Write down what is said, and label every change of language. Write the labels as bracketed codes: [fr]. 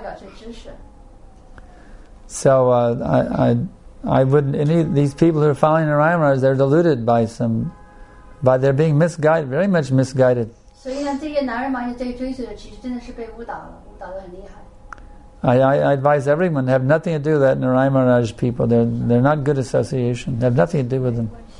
[zh] 因为他们能够看得出来，他没有恰当的代表这知识。 [en] So I wouldn't any these people who are following Narayana Maharaj, they're deluded by some, by they're being misguided, very much misguided. [zh] 所以呢，这些南岳马哈吉这些追随者其实真的是被误导了，误导的很厉害。 [en] I advise everyone, have nothing to do with that Narayana Maharaj people. They're not good association. They have nothing to do with them.